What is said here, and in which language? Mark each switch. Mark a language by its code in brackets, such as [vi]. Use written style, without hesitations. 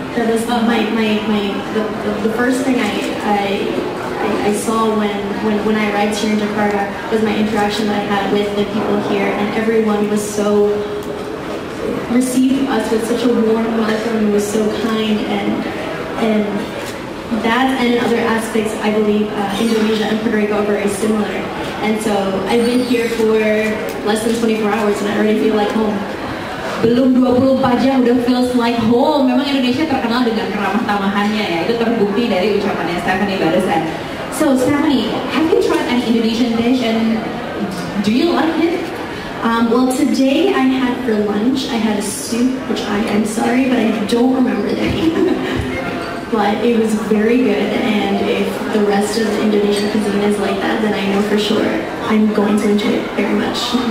[en] That was the first thing I saw when I arrived here in Jakarta was my interaction that I had with the people here, and everyone was so received us with such a warm welcome and was so kind, and that and other aspects I believe Indonesia and Puerto Rico are very similar, and so I've been here for less than 24 hours and I already feel like home. [id] Belum 24 jam udah [en] feels like home. [id] Memang Indonesia terkenal dengan ramah tamahannya ya, itu terbukti dari ucapannya Stephanie barusan. [en] So Stephanie, have you tried an Indonesian dish and do you like it? Well, today I had for lunch, I had a soup, which I am sorry, but I don't remember the name. But it was very good, and if the rest of the Indonesian cuisine is like that, then I know for sure I'm going to enjoy it very much.